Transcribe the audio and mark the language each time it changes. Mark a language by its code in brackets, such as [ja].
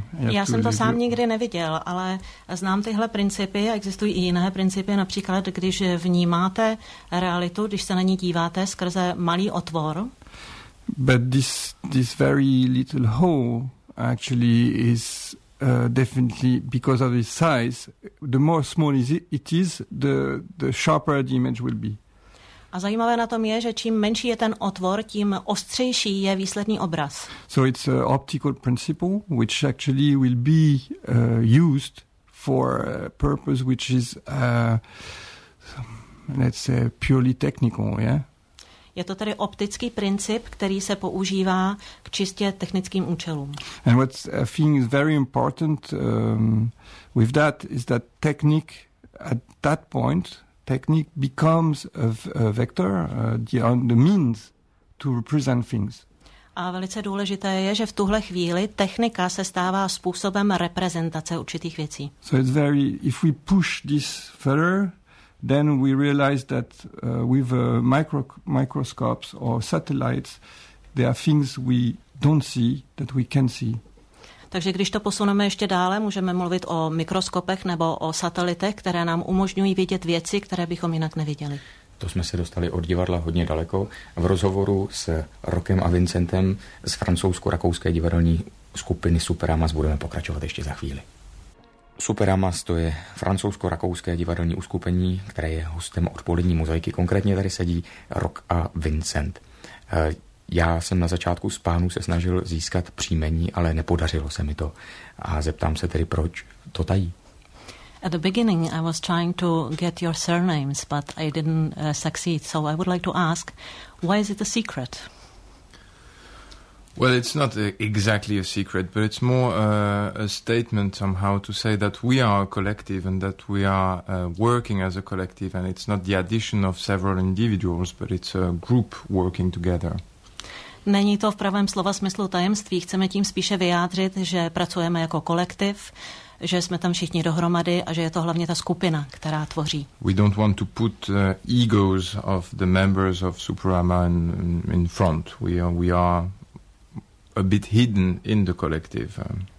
[cs] Já jsem to sám nikdy neviděl, ale znám tyhle principy a existují i jiné principy, například když vnímáte realitu, když se na ní díváte skrze malý otvor. [en] But this very little hole actually is definitely because of its size, the more small it is, the sharper the image will be. [cs] A zajímavé na tom je, že čím menší je ten otvor, tím ostřejší je výsledný obraz. [en] So it's an optical principle which actually will be used for a purpose which is let's say purely technical, yeah. [cs] Je to tedy optický princip, který se používá k čistě technickým účelům. [en] And what I think is very important with that is that technique at that point technique becomes a vector, the means to represent things. [cs] A velice důležité je, že v tuhle chvíli technika se stává způsobem reprezentace určitých věcí. [en] So it's very, if we push this further, then we realize that with microscopes or satellites, there are things we don't see that we can see. [cs] Takže když to posuneme ještě dále, můžeme mluvit o mikroskopech nebo o satelitech, které nám umožňují vidět věci, které bychom jinak neviděli. To jsme se dostali od divadla hodně daleko. V rozhovoru s Rokem a Vincentem z francouzsko-rakouské divadelní skupiny Superamas budeme pokračovat ještě za chvíli. Superamas, to je francouzsko-rakouské divadelní uskupení, které je hostem odpolední mozaiky. Konkrétně tady sedí Rok a Vincent. Já jsem na začátku z pánů se snažil získat příjmení, ale nepodařilo se mi to. A zeptám se tedy, proč to tají? [en] At the beginning, I was trying to get your surnames, but I didn't succeed. So I would like to ask, why is it a secret? Well, it's not exactly a secret, but it's more a statement somehow to say that we are a collective and that we are working as a collective, and it's not the addition of several individuals, but it's a group working together. [cs] Není to v pravém slova smyslu tajemství. Chceme tím spíše vyjádřit, že pracujeme jako kolektiv, že jsme tam všichni dohromady a že je to hlavně ta skupina, která tvoří. [en] We don't want to put egos of the members of Superama in front. We are a bit hidden in the collective.